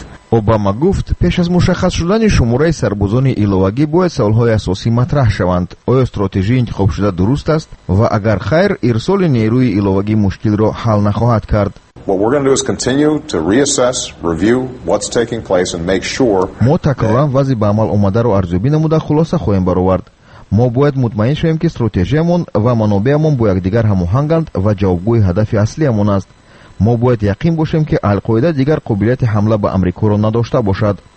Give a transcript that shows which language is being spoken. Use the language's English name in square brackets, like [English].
[Tajik] Обама гуфт, пеш аз мушаххас шудани шумораи сарбозони иловагӣ бояд саволҳои асосӣ матраҳ шаванд: оё стратежии интихобшуда дуруст аст? ва агар хайр, ирсоли нерӯи иловагӣ мушкилро ҳал нахоҳад кард? [English] What we're going to do is continue to reassess, review what's taking place and make sure [Tajik] мо такроран вази ба амал омадаро арзёбӣ намуда хулоса хоҳем баровард. мо бояд мутмаин шавем, ки стратегиямон ва манобеамон бо якдигар ҳамоҳанганд ва ҷавобгӯи ҳадафи аслиамон аст. мо бояд яқин бошем, ки Ал-Қоида дигар қобилияти ҳамла ба Амрикоро надошта бошад.